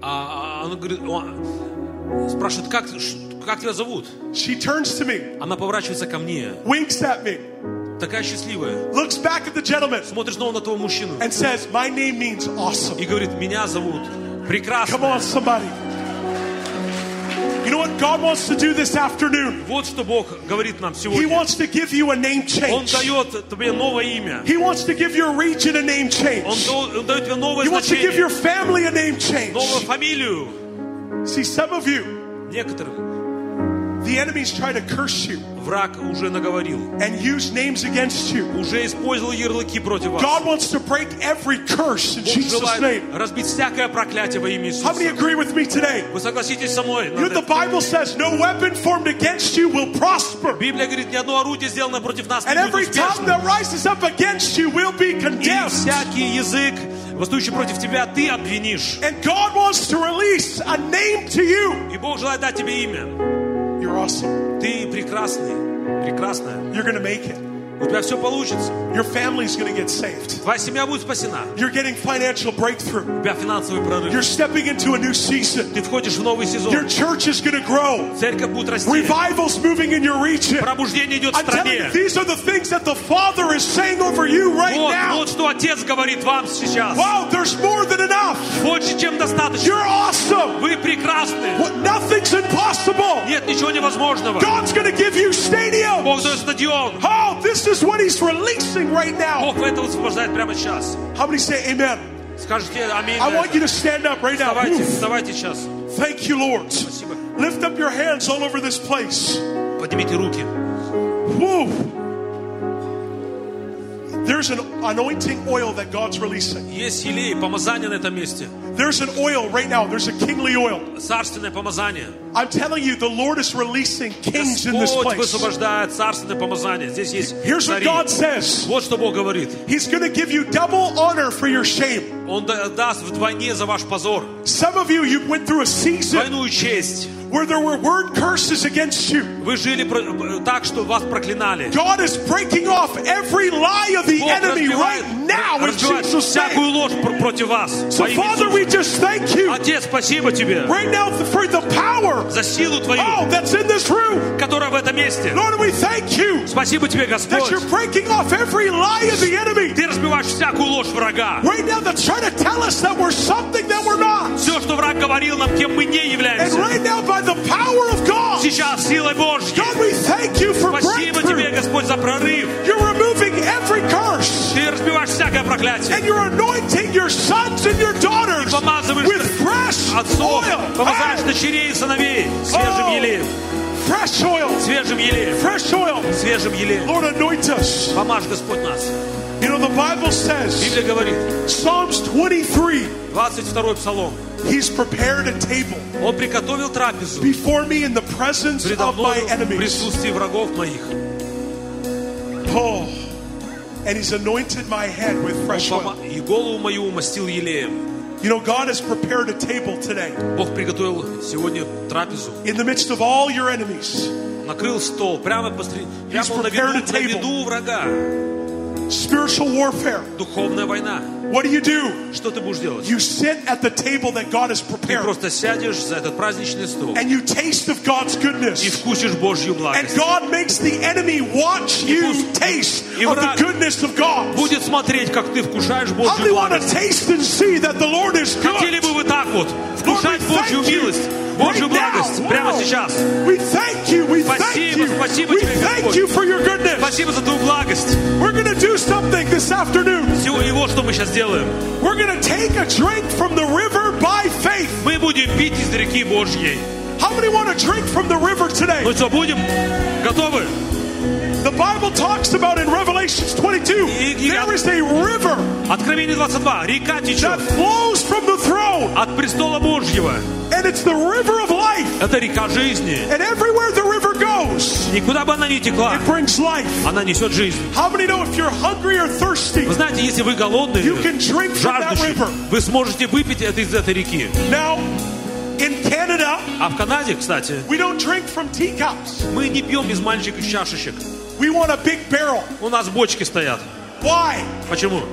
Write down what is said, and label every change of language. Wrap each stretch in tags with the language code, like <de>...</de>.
<ru>Она говорит, спрашивает, как тебя зовут?</ru> <en>She turns to me,</en> <ru>она поворачивается ко мне.</ru> <en>Winks at me.</en> <ru>Такая счастливая.</ru> <en>Looks back at the gentleman.</en> <ru>Смотрит снова на того мужчину.</ru> <en>And says, my name means awesome.</en> <ru>И говорит, меня зовут прекрасно.</ru> <en>Come on, somebody. You know what God wants to do this afternoon?</en> <ru>Вот что Бог говорит нам сегодня.</ru> <en>He wants to give you a name change.</en> <ru>Он дает тебе новое имя.</ru> <en>He wants to give your region a name change.</en> <ru>Он дает тебе новое значение.</ru> <en>He wants to give your family a name change.</en> <ru>Новую фамилию.</ru> <en>See, some of you.</en> <ru>Некоторым.</ru> <en>The enemy's trying to curse you.</en> <ru>Враг уже наговорил.</ru> <en>And use names against you.</en> <ru>Уже использовал ярлыки против вас.</ru> <en>God wants to break every curse in Jesus' name.</en> <ru>Разбить всякое проклятие во имя Иисуса.</ru> <en>How many agree with me today?</en> <ru>Вы согласитесь со мной?</ru> <en>You know, the Bible says, no weapon formed against you will prosper.</en> <ru>Библия говорит, ни одно орудие, сделанное против нас, не будет успешным.</ru> <en>And every tongue that rises up against you will be condemned.</en> <ru>И всякий язык, восстающий против тебя, ты обвинишь.</ru> <en>And God wants to release a name to you.</en> <ru>И Бог желает дать тебе имя.</ru> <en>You're awesome.</en> <ru>Ты прекрасный. Прекрасная.</ru> <en>You're gonna make it.</en> <ru>У тебя все получится.</ru> <en>Your family's gonna get saved.</en> <ru>Твоя семья будет спасена.</ru> <en>You're getting financial breakthrough.</en> <ru>У тебя финансовый прорыв.</ru> <en>You're stepping into a new season.</en> <ru>Ты входишь в новый сезон.</ru> <en>Your church is gonna grow.</en> <ru>Церковь будет расти.</ru> <en>Revival's moving in your region.</en> <ru>Пробуждение идет в стране.</ru> <en>I'm telling you, these are the things that the Father is saying over you right</en> <ru>вот,</ru> <en>now.</en> <ru>Вот что Отец говорит вам сейчас.</ru> <en>Wow, there's more than enough.</en> <ru>Больше, чем достаточно.</ru> <en>You're awesome.</en> <ru>Вы прекрасны.</ru> <en>Well, nothing's impossible.</en> <ru>Нет ничего невозможного.</ru> <en>God's gonna give you stadium.</en> <ru>Бог дает стадион.</ru> <en>Oh, this is what he's releasing right now. How many say amen? I want you to stand up right now.</en> <ru>Вставайте сейчас.</ru> <en>Thank you, Lord.</en> <ru>Спасибо.</ru> <en>Lift up your hands all over this place.</en> <ru>Поднимите руки.</ru> <en>Woo. There's an anointing oil that God's releasing.</en> <ru>Есть елей, помазание на этом месте.</ru> <en>There's an oil right now. There's a kingly oil.</en> <ru>Царственное помазание.</ru> <en>I'm telling you, the Lord is releasing kings</en> <ru>Господь</ru> <en>in this place.</en> <ru>Высвобождает царственное помазание. Здесь есть цари.</ru> <en>Here's what God says.</en> <ru>Вот что Бог говорит.</ru> <en>He's going to give you double honor for your shame.</en> <ru>Он даст вдвойне за ваш позор.</ru> <en>Some of you, you went through a season.</en> <ru>Двойную честь.</ru> <en>Where there were word curses against you.</en> <ru>Вы жили так, что вас проклинали.</ru> <en>God is breaking off every lie of the enemy right now in Jesus' name.</en> <ru>Всякую ложь против вас.</ru> <en>So Father, we just thank you.</en> <ru>Отец, спасибо тебе.</ru> <en>Right now for the power.</en> <ru>За силу твою.</ru> <en>Oh, that's in this room.</en> <ru>Которая в этом месте.</ru> <en>Lord, we thank you.</en> <ru>Спасибо тебе, Господь.</ru> <en>That you're breaking off every lie of the enemy.</en> <ru>Ты разбиваешь всякую ложь врага.</ru> <en>Right now, that's trying to tell us that we're something that we're not.</en> <ru>Все, что враг говорил нам, кем мы не являемся.</ru> <en>And right now, by the power of God.</en> <ru>Сейчас силой Божьей.</ru> <en>God, we thank you for breakthrough.</en> <ru>Спасибо тебе, Господь, за прорыв.</ru> <en>You're removing every curse.</en> <ru>Ты разбиваешь всякое проклятие.</ru> <en>And you're anointing your sons and your daughters with fresh</en> <ru>отцов, помазаешь дочерей и сыновей свежим елеем.</ru> <en>Fresh oil.</en> <ru>Свежим елеем.</ru> <en>Fresh oil.</en> <ru>Свежим елеем.</ru> <en>Lord, anoint us.</en> <ru>Помажь, Господь, нас.</ru> <en>You know, the Bible says,</en> <ru>Библия говорит,</ru> <en>Psalms 23,</en> <ru>22 Псалом,</ru> <en>He's prepared a table</en> <ru>Он приготовил трапезу</ru> <en>before me in the presence</en> <ru>предо мной</ru> <en>of my enemies.</en> <ru>В присутствии врагов моих.</ru> <en>Oh, and He's anointed my head with fresh oil.</en> <ru>И голову мою умастил елеем.</ru> <en>You know, God has prepared a table today.</en> <ru>Бог приготовил сегодня трапезу.</ru> <en>In the midst of all your enemies.</en> <ru>Накрыл стол прямо посреди.</ru> <en>He's prepared a table.</en> <ru>На виду врага.</ru> <en>Spiritual warfare.</en> <ru>Духовная война.</ru> <en>What do you do?</en> <ru>Что ты будешь делать?</ru> <en>You sit at the table that God has prepared.</en> <ru>Ты просто сядешь за этот праздничный стол.</ru> <en>And you taste of God's goodness.</en> <ru>И вкусишь Божью благость.</ru> <en>And God makes the enemy watch you taste of the goodness of God.</en> <ru>Будет смотреть, как ты вкушаешь Божью благость.</ru> <en>How do you want to taste and see that the Lord is good?</en> <ru>Хотели бы вы так вот вкушать Божью милость? Божью благость прямо сейчас.</ru> <en>We thank you. We thank you.</en> <ru>Спасибо, спасибо</ru> <en>we</en> <ru>тебе,</ru> <en>thank</en> <ru>Господь.</ru> <en>You for your goodness.</en> <ru>Спасибо за твою благость.</ru> <en>We're going to do something this afternoon.</en> <ru>Сегодня вот что мы сейчас делаем.</ru> <en>We're going to take a drink from the river by faith.</en> <ru>Мы будем пить из реки Божьей.</ru> <en>How many want to drink from the river today?</en> <ru>Мы что, будем готовы?</ru> <en>The Bible talks about in Revelation 22. There is a river.</en> <ru>Откровение 22. Река течет.</ru> <en>That flows from the throne.</en> <ru>От престола Божьего.</ru> <en>And it's the river of life.</en> <ru>Это река жизни.</ru> <en>And everywhere the river goes.</en> <ru>Никуда бы она ни текла.</ru> <en>It brings life.</en> <ru>Она несет жизнь.</ru> <en>How many know if you're hungry or thirsty?</en> <ru>Вы знаете, если вы голодны,</ru> <en>you can drink from that river.</en> <ru>Вы сможете выпить это из этой реки.</ru> <en>Now, in Canada.</en> <ru>А в Канаде, кстати.</ru> <en>We don't drink from teacups.</en> <ru>Мы не пьем из маленьких чашечек.</ru> <en>We want a big barrel.</en> <ru>У нас бочки стоят.</ru> <en>Why?</en> <ru>Почему?</ru>